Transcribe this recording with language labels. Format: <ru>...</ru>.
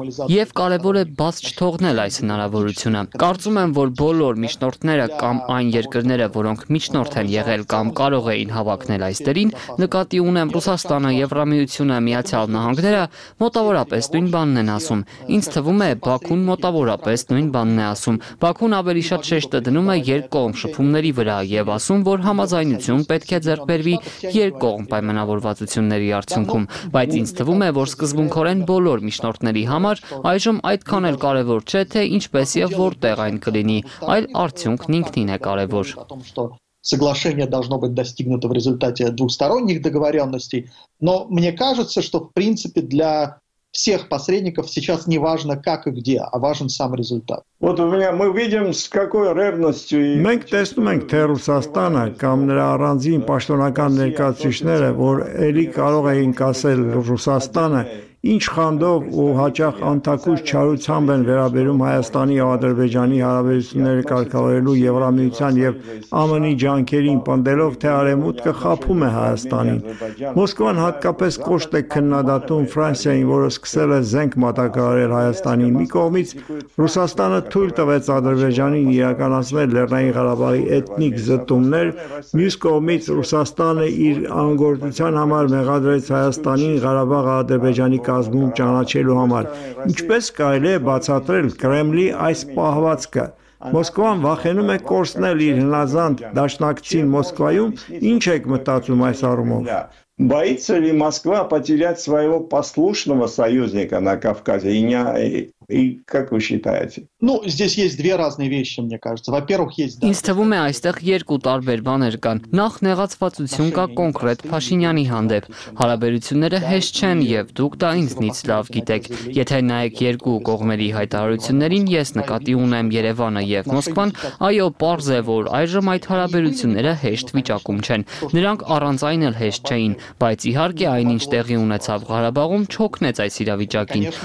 <hy>և կարևոր է բաց չթողնել այս հնարավորությունը։ Կարծում եմ, որ բոլոր միջնորդները կամ այն երկրները, որոնք միջնորդ են եղել կամ կարող էին հավակնել այս դերին, նկատի ունեմ Ռուսաստանը, Եվրամիությունը, Միացյալ Նահանգները, մոտավորապես նույն բանն են ասում։ Ինձ թվում է, Բաքուն մոտավորապես նույն բանն է ասում։ Բաքուն ավելի շատ շեշտը դնում է երկկողմ շփումների վրա և ասում, որ համաձայնություն պետք է ձեռքբերվի երկկողմ պայմանավորվածությունների արդյունքում, բայց ինձ թվում է, որ սկզբունքորեն բոլոր միջնորդների համար այժմ այդքան էլ կարևոր չէ, թե ինչպես և որտեղ այն կլինի, այլ արդյունքն ինքնին է կարևոր։</hy> <ru>Соглашение должно быть достигнуто в результате двухсторонних договорённостей, но мне кажется, что в принципе для всех посредников сейчас не важно как и где, а важен сам результат. Вот у меня мы видим с какой ревностью и</ru> <hy>Մենք տեսնում ենք, թե Ռուսաստանը կամ նրա առանձին պաշտոնական ներկայացուցիչները, որ էլի կարող էին ասել Ռուսաստանը, Ինչ խանդով ու հաճախ անթաքուշ չարությամբ են վերաբերում Հայաստանի և Ադրբեջանի հարաբերությունները կարգավորելու Եվրամիության և ԱՄՆ-ի ջանքերին, պնդելով, թե Արևմուտքը խաբում է Հայաստանին։ Մոսկվան հատկապես կոշտ է քննադատում Ֆրանսիային, որը սկսել է զենք մատակարարել Հայաստանին։ Մի կողմից Ռուսաստանը թույլ տվեց Ադրբեջանին իրականացնել Լեռնային Ղարաբաղի էթնիկ զտումներ, մյուս կողմից Ռուսաստանը իր անգործության համար մեղադրեց Հայաստանին Ղարաբաղը Ադրբեջանի կազմում ճանաչելու համար։ Ինչպես կարելի է բացատրել Կրեմլի այս պահվածքը։ Մոսկվան վախենում է կորցնել իր հնազանդ դաշնակցին Մոսկվայում, ինչ եք մտածում այս առումով։</hy> <ru>Боится ли Москва потерять своего послушного союзника на Кавказе? И как вы считаете? Ну, здесь есть две разные вещи, мне кажется. Во-первых, есть...</ru> <hy>Ինձ թվում է, այստեղ երկու տարբեր բաներ կան։ Նախ, նեղացվածություն կա կոնկրետ Փաշինյանի հանդեպ։ Հարաբերությունները հեշտ չեն, և դուք դա ինձնից լավ գիտեք։ Եթե նայեք երկու կողմերի հայտարարություններին, ես նկատի ունեմ Երևանը և Մոսկվան, այո, պարզ է, որ այժմ այդ հարաբերությունները հեշտ վիճակում չեն։ Նրանք առանց այն էլ հեշտ չէին, բայց իհարկե այնինչ տեղի ունեցավ Ղարաբաղում չօգնեց այս իրավիճակին։</hy>